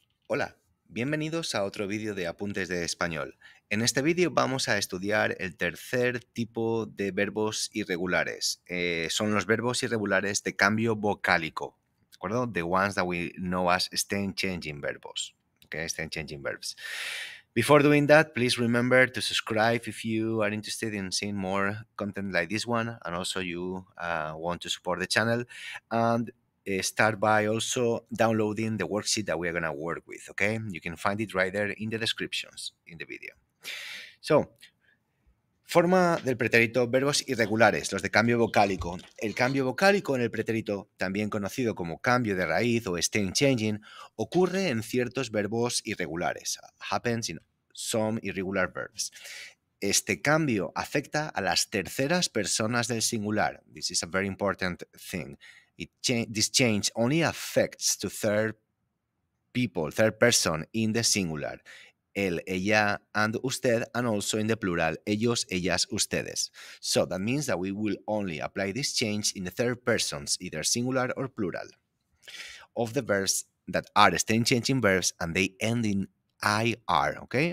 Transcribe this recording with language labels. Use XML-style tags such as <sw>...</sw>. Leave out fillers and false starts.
<es>Hola, bienvenidos a otro vídeo de Apuntes de Español. En este vídeo vamos a estudiar el tercer tipo de verbos irregulares. Son los verbos irregulares de cambio vocálico, ¿de acuerdo?</es> <en>The ones that we know as stem-changing verbos, okay? Stem-changing verbs. Before doing that, please remember to subscribe if you are interested in seeing more content like this one, and also you want to support the channel, and start by also downloading the worksheet that we are going to work with, okay? You can find it right there in the descriptions in the video. So,</en> <es>forma del pretérito, verbos irregulares, los de cambio vocálico. El cambio vocálico en el pretérito, también conocido como cambio de raíz o stem changing, ocurre en ciertos verbos irregulares,</es> <en>happens in some irregular verbs.</en> <es>Este cambio afecta a las terceras personas del singular.</es> <en>This is a very important thing. This change only affects to third person in the singular. Él, ella, and usted, and also in the plural, ellos, ellas, ustedes. So that means that we will only apply this change in the third persons, either singular or plural, of the verbs that are stem-changing verbs and they end in IR, okay?</en>